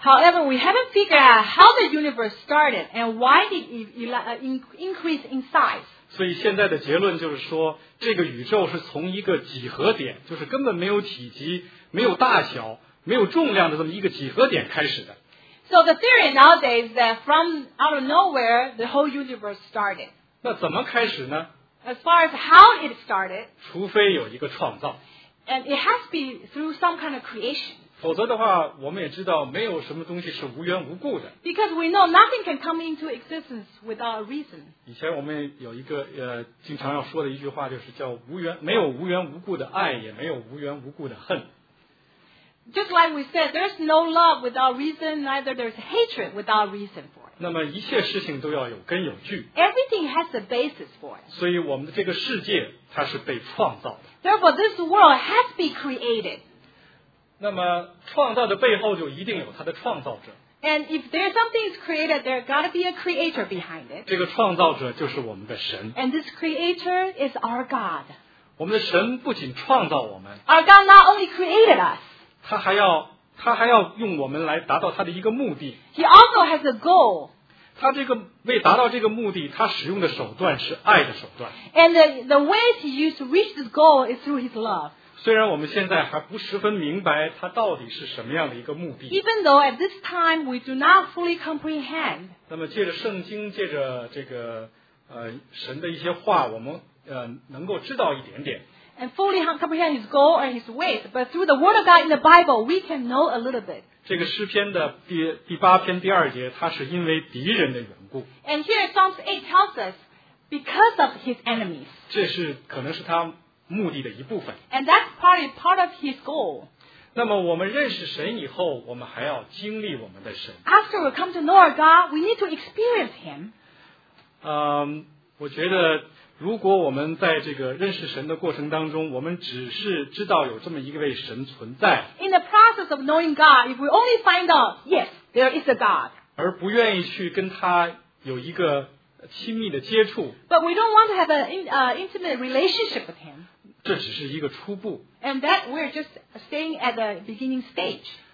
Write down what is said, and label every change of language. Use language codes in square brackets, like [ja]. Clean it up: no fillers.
[en] However, we haven't figured out how the universe started and why did it increase in size. [zh] 所以现在的结论就是说，这个宇宙是从一个几何点，就是根本没有体积、没有大小、没有重量的这么一个几何点开始的。 [en] So the theory nowadays is that from out of nowhere, the whole universe started. [zh] 那怎么开始呢？ [en] As far as how it started, [zh] 除非有一个创造。 [en] And it has to be through some kind of creation. [zh] 否则的话，我们也知道没有什么东西是无缘无故的。 [en] Because we know nothing can come into existence without a reason. [zh] 以前我们有一个经常要说的一句话，就是叫没有无缘无故的爱，也没有无缘无故的恨。 [en] Just like we said, there's no love without reason, neither there's hatred without reason for it. [zh] 那么一切事情都要有根有据。 [en] Everything has a basis for it. [zh] 所以我们的这个世界它是被创造的。 [en] Therefore, this world has been created. [zh] 那么创造的背后就一定有它的创造者。 [en] And if there's something is created, there's got to be a creator behind it. [zh] 这个创造者就是我们的神。 [en] And this creator is our God. [zh] 我们的神不仅创造我们。 [en] Our God not only created us. [zh] 他还要用我们来达到他的一个目的。 [en] He also has a goal. [zh] 他这个为达到这个目的，他使用的手段是爱的手段。 [en] And the ways he used to reach this goal is through his love. [zh] 虽然我们现在还不十分明白他到底是什么样的一个目的。 [en] Even though at this time we do not fully comprehend. [zh] 那么借着圣经，借着这个神的一些话，我们能够知道一点点。 [en] And fully comprehend his goal and his ways, but through the word of God in the Bible, we can know a little bit. [zh] 这个诗篇的第八篇第二节，它是因为敌人的缘故。 [en] And here Psalms 8 tells us because of his enemies. [zh] 这是可能是他目的的一部分。 [en] And that's probably part of his goal. [zh] 那么我们认识神以后，我们还要经历我们的神。 [en] After we come to know our God, we need to experience him. [zh] 我觉得如果我们在这个认识神的过程当中，我们只是知道有这么一位神存在。 [en] In the process of knowing God, if we only find out, yes, there is a God. [zh] 而不愿意去跟他有一个亲密的接触。 [en] But we don't want to have an intimate relationship with him. [zh] 这只是一个初步。 [en] And that we're just staying at the beginning stage.